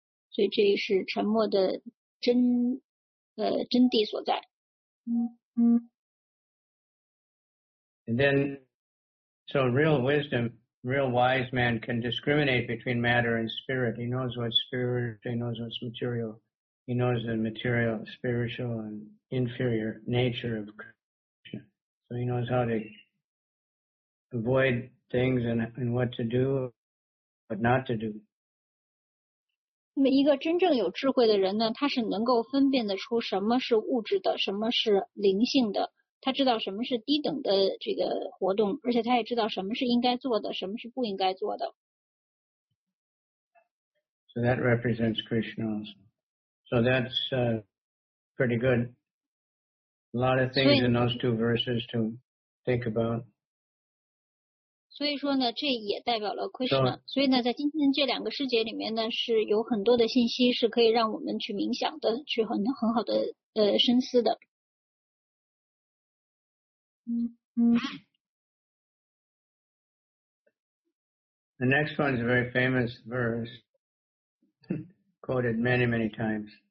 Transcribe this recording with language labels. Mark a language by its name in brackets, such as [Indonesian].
[Chinese] 所以这是沉默的真谛所在。 [English] And then, so real wisdom, real wise man can discriminate between matter and spirit. He knows what's spirit, he knows what's material. He knows the material, spiritual, and inferior nature of Krishna. So he knows how to avoid things and what to do, what not to do. [Chinese] 那么一个真正有智慧的人呢，他是能够分辨得出什么是物质的，什么是灵性的，他知道什么是低等的这个活动，而且他也知道什么是应该做的，什么是不应该做的。 [English] So that represents Krishna also. So that's pretty good. A lot of things in those two verses to think about. [Chinese] 所以说呢，这也代表了 Krishna。所以呢，在今天这两个世界里面呢，是有很多的信息是可以让我们去冥想的，去很好的深思的。 [English] The next one is a very famous verse, quoted many, many times.